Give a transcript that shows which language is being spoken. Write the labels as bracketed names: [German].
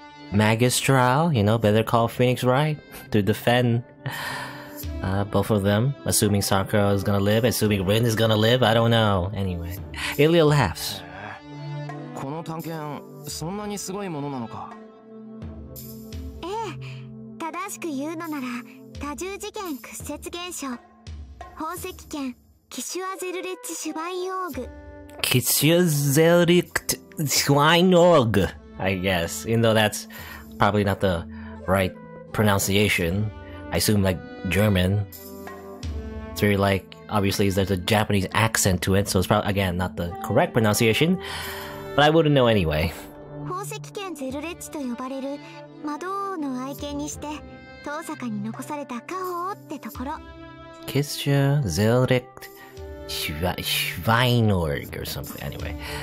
[English] Magus trial, you know, better call Phoenix Wright to defend both of them. Assuming Sakura is gonna live, assuming Rin is gonna live, I don't know. Anyway, Ilya laughs. [Japanese] この探検、そんなにすごいものなのか？ええ、正しく言うのなら、多重次元屈折現象。宝石剣、キシュアゼルレッチシュバインオーグ。キシュアゼルレッチシュバインオーグ、 [English] I guess. Even though that's probably not the right pronunciation. I assume like German. It's very like, obviously there's a Japanese accent to it, so it's probably, again, not the correct pronunciation. But I wouldn't know anyway. [Japanese] 宝石剣ゼルレッチと呼ばれる魔導王の愛剣にして、東坂に残された家宝ってところ。 [English] Kistja Zelrecht Schweinorg or something, anyway.